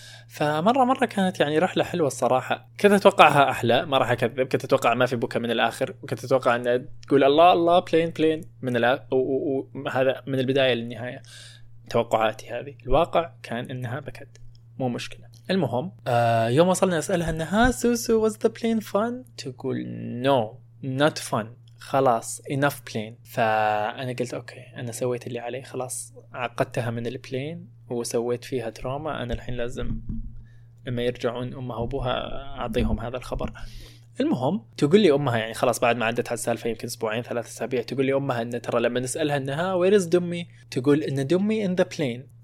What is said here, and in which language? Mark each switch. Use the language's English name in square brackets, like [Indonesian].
[Arabic] فمرة كانت يعني رحلة حلوة الصراحة، كنت أتوقعها أحلى ما راح أكذب، كنت أتوقع ما في بكاء من الآخر، وكنت أتوقع أن تقول الله الله بلين من وهذا من البداية للنهاية توقعاتي هذه، الواقع كان أنها بكت مو مشكلة. المهم يوم وصلنا أسألها أنها سوسو [English] was the plane fun، [Arabic] تقول [English] no not fun [Arabic] خلاص [English] enough plane. [Arabic] فأنا قلت أوكي أنا سويت اللي علي خلاص، عقدتها من البلين وسويت فيها تروما، أنا الحين لازم لما يرجعون أمها وأبوها أعطيهم هذا الخبر. المهم تقول لي أمها يعني خلاص بعد ما عدت على السالفة يمكن 2 أسبوع 3 أسابيع، تقول لي أمها أن ترى لما نسألها أنها ويرز دمي، تقول أن دمي [English] in the plane.